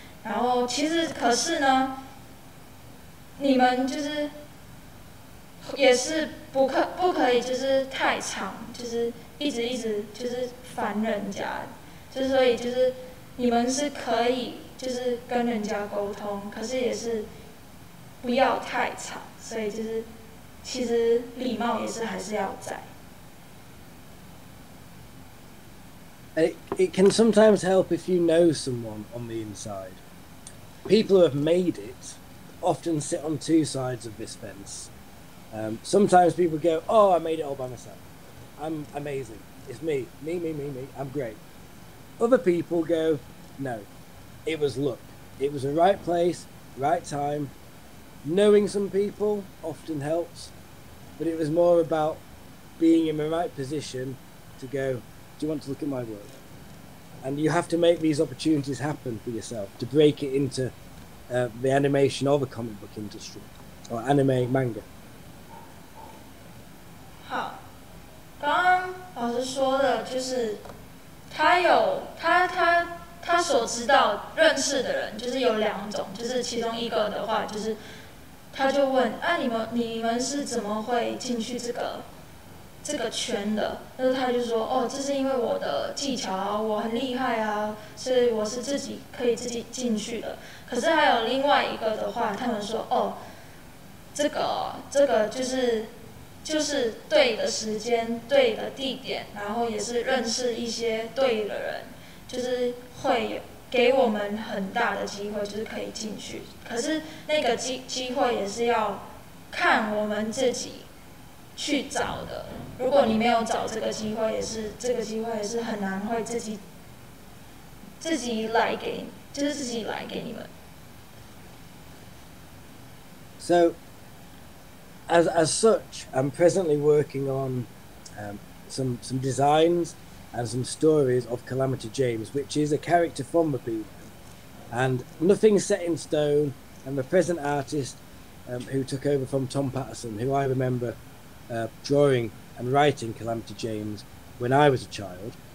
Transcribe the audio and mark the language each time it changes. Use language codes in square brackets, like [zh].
[zh] 然后其实可是呢，你们就是也是不可以就是太长，就是一直就是烦人家，就所以就是你们是可以就是跟人家沟通，可是也是不要太长，所以就是其实礼貌也是还是要在。 [en] It can sometimes help if you know someone on the inside. People who have made it often sit on two sides of this fence. Sometimes people go, oh, I made it all by myself. I'm amazing. It's me. I'm great. Other people go, no, it was luck. It was the right place, right time. Knowing some people often helps, but it was more about being in the right position to go, do you want to look at my work? And you have to make these opportunities happen for yourself to break it into the animation or the comic book industry or anime, manga. [zh] 好，刚刚老师说的就是他所知道认识的人就是有两种，就是其中一个的话就是他就问，啊，你们是怎么会进去这个圈的，那他就说，哦，这是因为我的技巧啊，我很厉害啊，所以我是自己可以自己进去的。可是还有另外一个的话，他们说，哦，这个就是对的时间、对的地点，然后也是认识一些对的人，就是会给我们很大的机会，就是可以进去。可是那个机会也是要看我们自己去找的。如果你没有找这个机会，也是这个机会也是很难会自己来给，就是自己来给你们。 [en] So, as such, I'm presently working on some designs and some stories of Calamity James, which is a character from the Beaver. And nothing's set in stone. And the present artist who took over from Tom Patterson, who I remember drawing and writing Calamity James when I was a child.